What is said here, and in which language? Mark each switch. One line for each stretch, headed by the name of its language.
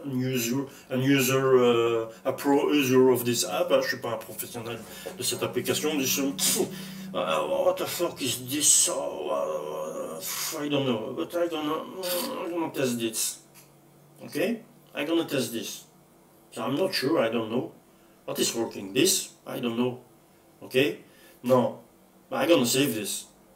English: I'm not a pro user of this app.
French: Je suis pas un professionnel de cette application. Je suis,
English: what the fuck is this? I don't know, but I'm gonna test this. Okay, I'm gonna test this. So I'm not sure. I don't know what is working. This, I don't know. Okay, no, I'm gonna save this.